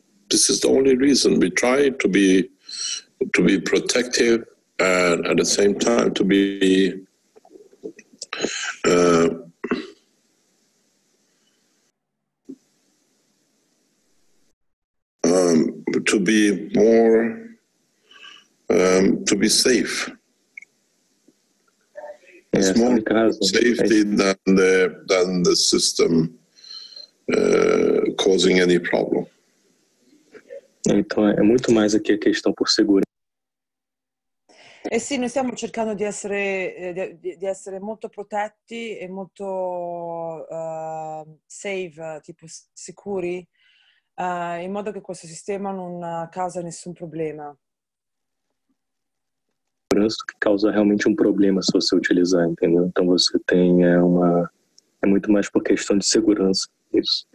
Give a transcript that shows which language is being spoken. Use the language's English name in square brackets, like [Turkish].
[English] This is the only reason we try to be protective and at the same time to be to be more to be safe. It's more safety than the system causing any problem. [Portuguese] Então é muito mais aqui a questão por segurança. [Italian] E sì, noi stiamo cercando di essere molto protetti e molto safe, tipo sicuri, in modo che questo sistema non causa nessun problema. [Portuguese] Segurança que causa realmente um problema se você utilizar, entendeu? Então você tem é muito mais por questão de segurança isso.